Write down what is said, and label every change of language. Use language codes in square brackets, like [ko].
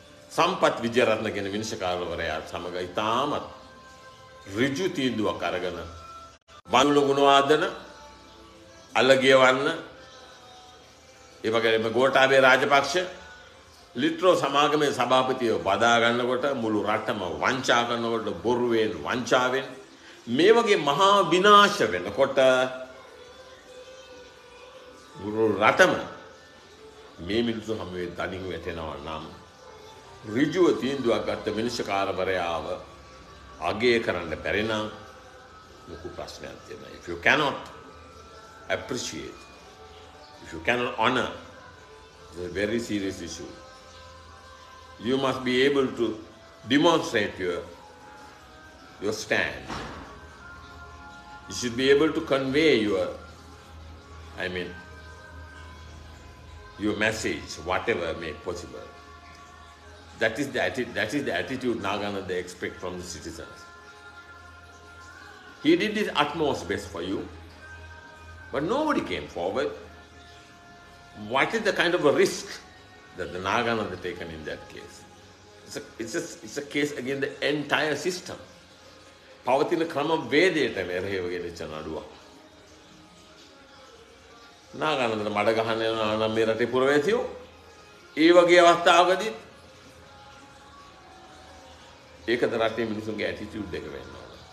[si] සම්පත් විජයරත්න කියන විනිශ්චකාරවරයා සමග ඉතාමත් ඍජු තීන්දුවක් අරගෙන වන්ලු ගුණවාදන අලගියවන්න, ඒ වගේම ගෝඨාභය රාජපක්ෂ ලිට්‍රෝ සමාගමේ සභාපතිව බදා ගන්නකොට මුළු රටම වංචා කරනකොට බොරුවෙන් වංචාවෙන් මේ වගේ මහා විනාශ වෙනකොට ගුරු රටම මේ මිනිස්සු හැමෝම තනින් වැටෙනවා නම් ඍජුව තීන්දුවක් ගත්ත මිනිස්කාරවරයාව අගය කරන්න බැරි නම් ලොකු ප්‍රශ්නයක් තියෙනවා. [en] If you cannot appreciate, if you cannot honor, it's a very serious issue. You must be able to demonstrate your stand. You should be able to convey your message, whatever may be possible. That is the attitude Nagananda they expect from the citizens. He did his utmost best for you, but nobody came forward. What is the kind of a risk that the Nagananda taken in that case? It's a case against the entire system. [si] පවතින ක්‍රම වේදයට මෙරෙහිව ගෙනච්ච නඩුවක්. නාගානන්ද මඩ ගහන නම් මේ රටේ පුරවැසියෝ ඒ වගේ අවස්ථාවකදී ඒකද රටේ මිනිසුන්ගේ ඇටිටියුඩ් එක වෙන්නේ.